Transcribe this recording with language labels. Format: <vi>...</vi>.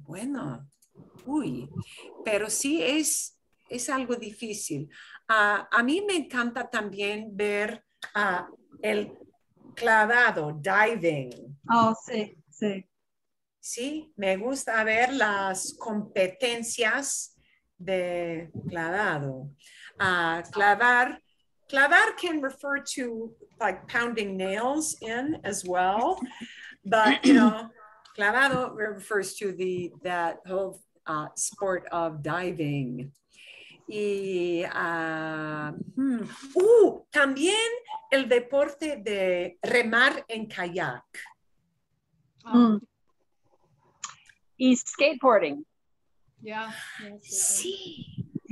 <es>Bueno, uy, pero sí es algo difícil. A mí me encanta también ver el clavado, diving. Oh, sí. Sí, me gusta ver las competencias de clavado.</es> <en>Clavar can refer to like pounding nails in as well, but you know, clavado refers to that whole sport of diving.</en> <es>Y también el deporte de remar en kayak. Y skateboarding.</es> <en>Yeah.</en> <es>Sí.</es>